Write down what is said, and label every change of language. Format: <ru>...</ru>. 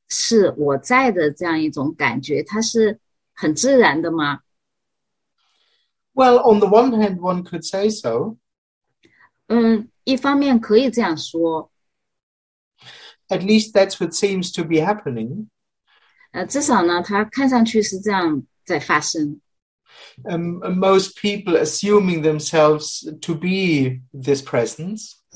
<zh>是我在的这样一种感觉，它是很自然的吗？</zh> <en>Well, on the one hand, one could say so.</en> <zh>一方面可以这样说。</zh> <en>At least that's what seems to be happening.</en> <zh>至少呢，它看上去是这样在发生。</zh> <en>Most people assuming themselves to be this presence.</en>